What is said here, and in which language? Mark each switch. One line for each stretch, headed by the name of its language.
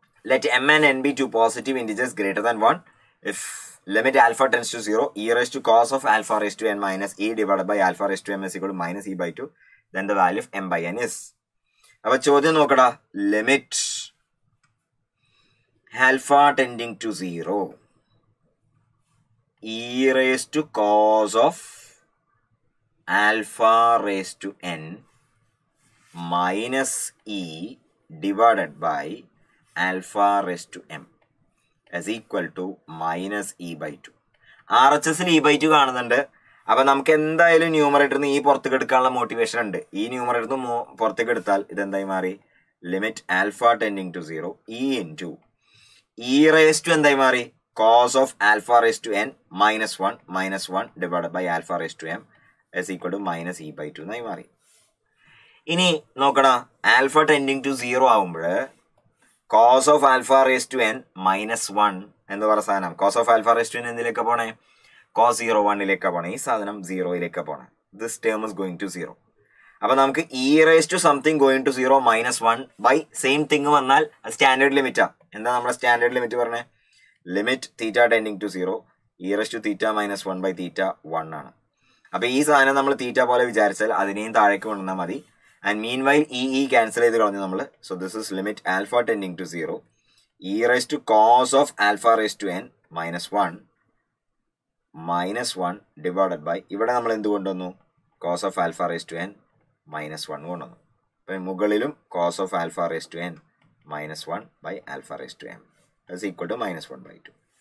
English: Let M and N be two positive integers greater than 1 if limit alpha tends to 0 e raise to cos of alpha raise to N minus e divide by alpha raise to M is equal to minus e by 2 then the value of M by N is.
Malayalam: അപ്പൊ ചോദ്യം നോക്കടാ, limit alpha tending to 0 E raise to cos of alpha rays to N
English: minus e divided by alpha raised to m is equal to minus e by 2. RHS in e by 2 കാണുന്നുണ്ട്.
Malayalam: അപ്പോൾ നമുക്ക് എന്തായാലും ന്യൂമറേറ്ററിൽ നിന്ന് ഈ പുറത്തെടുക്കാനുള്ള motivation ഉണ്ട്. ഈ ന്യൂമറേറ്ററിൽ നിന്ന് പുറത്തെടുത്താൽ ഇത് എന്തായി മാറി? Limit alpha tending to 0 e into e raised to എന്തായി മാറി?
English: Cos of alpha raised to n minus 1 minus 1 divided by alpha raised to m is equal to minus e by 2
Malayalam: എന്നായി മാറി. ഇനി നോക്കണം, ആൽഫ ടെൻഡിങ് ടു 0 ആവുമ്പോൾ cos of alpha rays to N minus one എന്ന് പറയുന്ന സാധനം, cos of alpha rays to N എന്തിലേക്ക് പോണേ? Cos zero വണ്ണിലേക്ക് പോണേ. ഈ സാധനം സീറോയിലേക്ക് പോണേ.
English: This term is going to zero.
Malayalam: അപ്പൊ നമുക്ക് E raise to something going to zero minus one by same thing വന്നാൽ സ്റ്റാൻഡേർഡ് ലിമിറ്റാ. എന്താ നമ്മുടെ സ്റ്റാൻഡേർഡ് ലിമിറ്റ് പറഞ്ഞേ? Limit theta tending to zero E raise to theta minus one by theta one ആണ്. അപ്പൊ ഈ സാധനം നമ്മൾ തീറ്റ പോലെ വിചാരിച്ചാൽ അതിനെയും താഴേക്ക് കൊണ്ടുവന്നാൽ മതി.
English: And meanwhile, EE cancel ചെയ്ത് കളഞ്ഞു നമ്മൾ. So this is limit alpha tending to zero e raise to cos of alpha raise to N minus one minus one divided by,
Malayalam: ഇവിടെ നമ്മൾ എന്ത് കൊണ്ടുവന്നു?
English: Cos of alpha raise to N minus one കൊണ്ടുവന്നു. അപ്പം മുകളിലും cos of alpha raise to N minus one by alpha raise to M is equal to minus one by two.